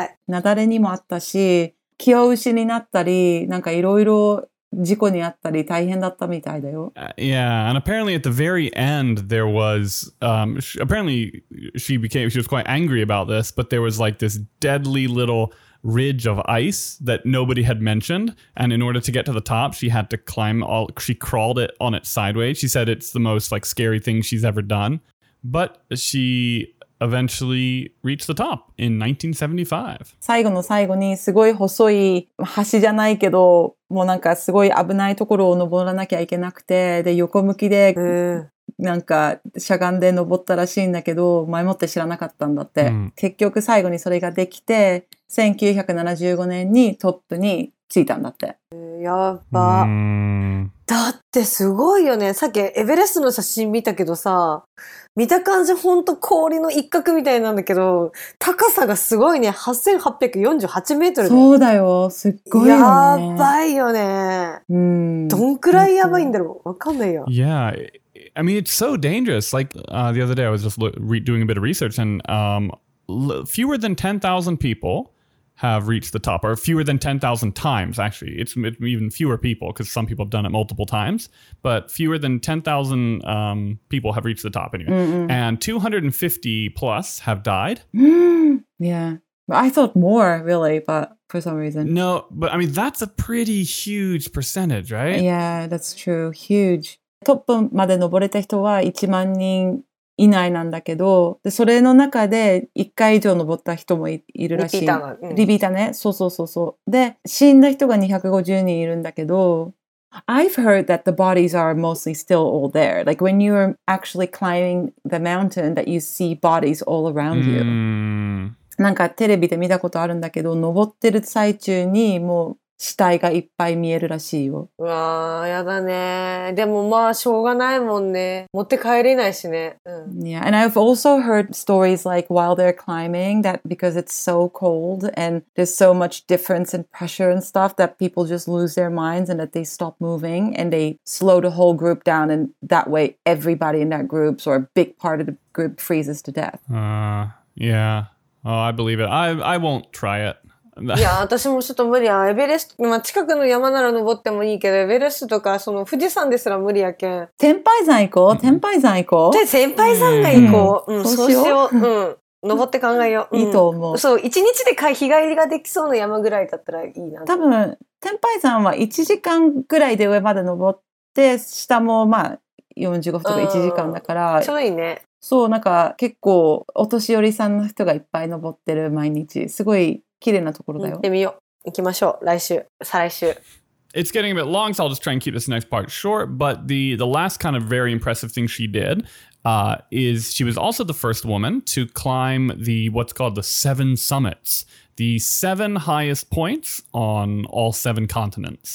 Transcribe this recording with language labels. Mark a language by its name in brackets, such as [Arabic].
[Japanese] Nadare にもあったし、気を失になったり、なんかいろいろ事故にあったり大変だったみたいだよ。 [English] Yeah, and apparently at the very end there was, she was quite angry about this, but there was like this deadly little ridge of ice that nobody had mentioned, and in order to get to the top she had to climb she crawled it on its sideways. She said it's the most like scary thing she's ever done, but she... eventually reached the top in 1975. [Japanese] 最後の最後にすごい細い橋じゃないけど、もうなんかすごい危ないところを登らなきゃいけなくて、で横向きでなんかしゃがんで登ったらしいんだけど、前もって知らなかったんだって。結局最後にそれができて、1975年にトップについたんだって。やば。だってすごいよね。さっきエベレストの写真見たけどさ、見た感じほんと氷の一角みたいなんだけど、高さがすごいね。 8848メートル。そうだよ。すっごいよね。やばいよね。うん。どんくらいやばいんだろう。わかんないよ。 [English] Yeah. I mean, it's so dangerous. Like, the other day I was just doing a bit of research and, fewer than 10,000 people. Have reached the top, or fewer than 10,000 times, actually. It's even fewer people, because some people have done it multiple times, but fewer than 10,000 people have reached the top anyway. Mm-mm. And 250 plus have died. Yeah. I thought more, really, but for some reason. No, but I mean, that's a pretty huge percentage, right? Yeah, that's true. Huge. [Japanese] Top まで登れた人は1万人いないなんだけど、でそれの中で1回以上登った人も いるらしい。リピーターね。そうそうそうそう。で死んだ人が250人いるんだけど、 [English] I've heard that the bodies are mostly still all there. Like when you're actually climbing the mountain, that you see bodies all around you. [Japanese] なんかテレビで見たことあるんだけど、登ってる最中にもう死体がいっぱい見えるらしいよ。うわあ、やだね。でもまあしょうがないもんね。持って帰れないしね。うん。 [English] Yeah, and I've also heard stories like while they're climbing that because it's so cold and there's so much difference in pressure and stuff that people just lose their minds and that they stop moving and they slow the whole group down and that way everybody in that group or a big part of the group freezes to death. Yeah. Oh, I believe it. I won't try it. [Japanese] いや、私もちょっと無理や。エベレスト、まあ、近くの山なら登ってもいいけど、エベレストとか、その富士山ですら無理やけん。天拝山行こう、天拝山行こう。で、天拝山が行こう。そうしよう。うん。登って考えよう。いいと思う。そう、一日で日帰りができそうな山ぐらいだったらいいな。多分、天拝山は1時間ぐらいで上まで登って、下もまあ、45分とか1時間だから。ちょうどいいね。そう、なんか結構お年寄りさんの人がいっぱい登ってる毎日。すごい綺麗なところだよ。行ってみよう。行きましょう。来週、再来週。 [English] It's getting a bit long, so I'll just try and keep this next part short. But the last kind of very impressive thing she did、is she was also the first woman to climb the what's called the seven summits, the seven highest points on all seven continents.